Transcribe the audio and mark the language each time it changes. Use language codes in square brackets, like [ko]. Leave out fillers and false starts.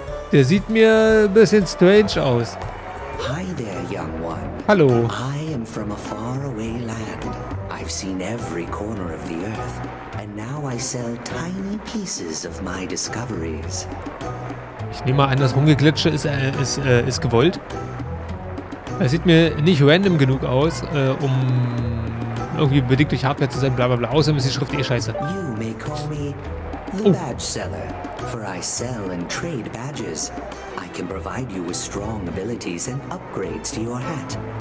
[de] Der sieht mir ein bisschen strange aus. [en] Hi there, young one. [de] Hallo. [en] I am from a far away land. I've seen every corner of the earth. And now I sell tiny pieces of my discoveries. [de] Ich nehme mal an, das Rumgeglitsche ist gewollt. Er sieht mir nicht [en] random [de] genug aus, um irgendwie bedingt durch Hardware zu sein, bla bla bla. Außerdem ist die Schrift eh scheiße. [en] You may call me the badge seller, for I sell and trade badges. I can provide you with strong abilities and upgrades to your hat.